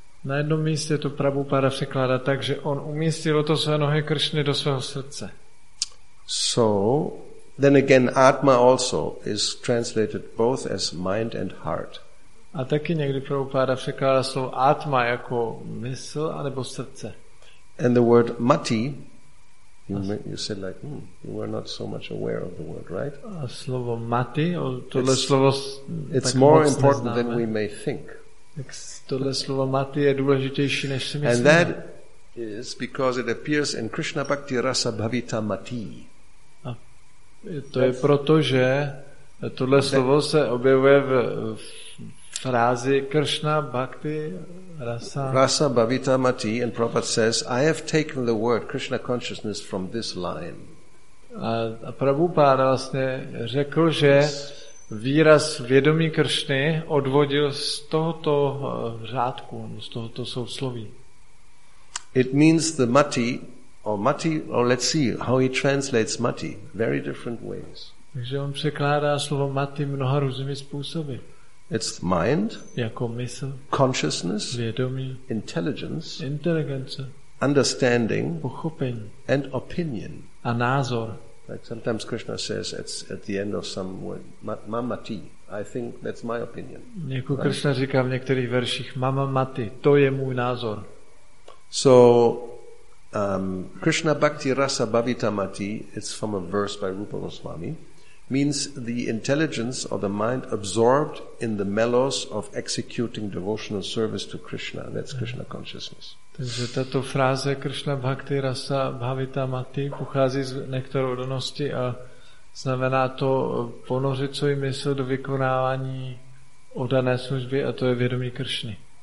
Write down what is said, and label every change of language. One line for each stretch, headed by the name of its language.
Czech: Na jednom místě to Prabhupada překládá tak, že on umístil lotosové nohy Krishny do svého srdce.
English: So, then again, atma also is translated both as mind and heart.
Czech: A taky někdy Prabhupada překládá slovo atma jako mysl anebo srdce.
English: And the word mati, you said like, you were not so much aware of the word, right?
Czech: A slovo mati, tohle slovo tak moc neznáme.
English: It's more important than we may think.
Czech: Tak tohle slovo mati je důležitější, než si myslíme.
English: And that is because it appears in Krishna Bhakti Rasa Bhavita Mati.
Czech: To je proto, že tohle slovo se objevuje v frázi Krishna Bhakti Rasa.
English: Rasa Bhavita Mati, and Prabhupada says, I have taken the word Krishna consciousness from this line.
Czech: A Prabhupada vlastně řekl, že výraz vědomí Kršny odvodil z tohoto řádku, z tohoto sousloví.
English: It means the mati, or mati, or let's see how he translates mati, very different ways.
Czech: Takže on překládá slovo mati mnoha různými způsoby.
English: It's mind,
Czech: jako mysl,
English: consciousness,
Czech: vědomí,
English: intelligence,
Czech: inteligence,
English: understanding,
Czech: pochopení,
English: and opinion.
Czech: A názor.
English: Like sometimes Krishna says it's at the end of some word, mama mati, I think that's my opinion.
Czech: Jako Krishna říká v některých verších, mama mati, to je můj názor.
English: So, Krishna Bhakti Rasa Bhavita Mati, it's from a verse by Rupa Goswami, means the intelligence or the mind absorbed in the mellows of executing devotional service to Krishna. That's Krishna consciousness.
Czech: Takže tato fráze Krishna Bhakti Rasa Bhavita Mati pochází z nektaru odolnosti a znamená to ponořit svůj mysl do vykonávání oddané služby a to je vědomí Kršny.